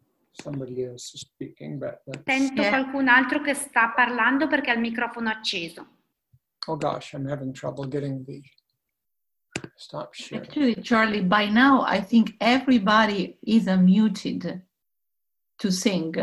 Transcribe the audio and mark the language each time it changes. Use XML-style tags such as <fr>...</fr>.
<en>Somebody else is speaking, but</en> <it>Sento qualcun altro che sta parlando perché ha il microfono acceso.</it> <en>Oh gosh, I'm having trouble getting the stop sharing. Actually, Charlie, by now I think everybody is unmuted to sing.</en>